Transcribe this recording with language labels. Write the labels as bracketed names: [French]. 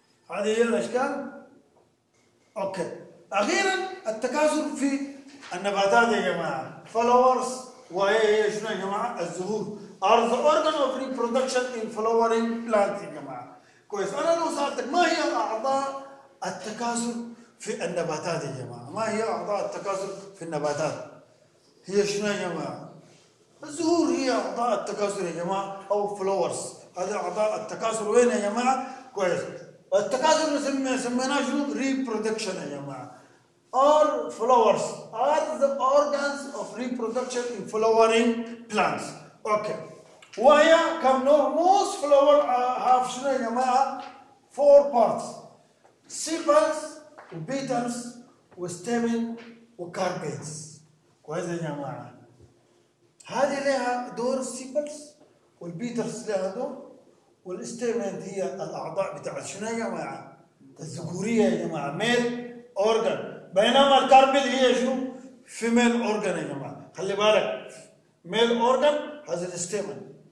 [Arabic] هذه هي الأشكال. أوكي. أخيراً التكاثر في النباتات يا جماعة. فلاورز وهي شنو يا جماعة؟ الزهور. [English] Are the organ of reproduction in flowering plant [Arabic] يا جماعة. كويس. أنا لو سألتك ما هي أعضاء التكاثر في النباتات يا جماعة؟ ما هي أعضاء التكاثر في النباتات؟ هي شنو يا جماعة؟ الزهور هي أعضاء التكاثر يا جماعة أو فلاورز. هذه أعضاء التكاثر وين يا جماعة؟ كويس. التكاثر سميناه شنو؟ reproduction يا جماعة. [English] Our flowers are the organs of reproduction in flowering plants. Okay. [Arabic] وهي كم نوع؟ [English] most flowers have [Arabic] شنو يا جماعة؟ [English] four parts. [Arabic] sepals وبيتلز وستامين وكاربيتس. كويس يا جماعة. هذه لها دور السيبلز والبيترز لها دور والاستيمنت هي الاعضاء بتاع شنو يا جماعه؟ الذكوريه يا جماعه ميل اورجان بينما الكاربيت هي شنو؟ فيميل اورجان يا جماعه خلي بالك ميل اورجان هذا الاستيمنت